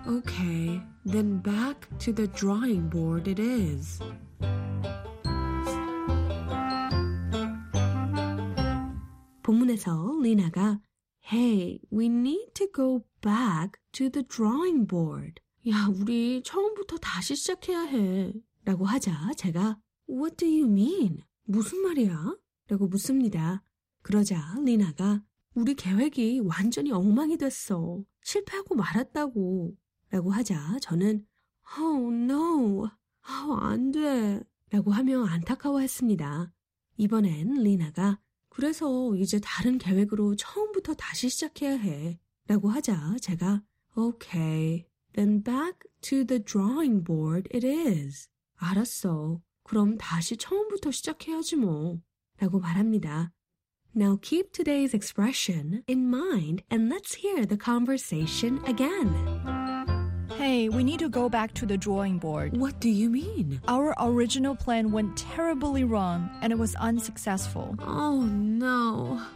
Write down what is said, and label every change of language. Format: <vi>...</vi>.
<en>Okay, then back to the drawing board it is. Lina가, hey, we need to go back to the drawing board.</en> <ko>야, 우리 처음부터 다시 시작해야 해. 라고 하자 제가,</ko> <en>what do you mean?</en> <ko>무슨 말이야? 라고 묻습니다. 그러자 Lina가, 우리 계획이 완전히 엉망이 됐어. 실패하고 말았다고. 라고 하자 저는,</ko> <en>oh no, oh,</en> <ko>안 돼. 라고 하며 안타까워했습니다. 이번엔 Lina가, 그래서 이제 다른 계획으로 처음부터 다시 시작해야 해. 라고 하자 제가,</ko> <en>okay, then back to the drawing board it is.</en> <ko>알았어, 그럼 다시 처음부터 시작해야지 뭐. 라고 말합니다.</ko> <en>Now keep today's expression in mind and let's hear the conversation again. Hey, we need to go back to the drawing board. What do you mean? Our original plan went terribly wrong, and it was unsuccessful. Oh, no.</en>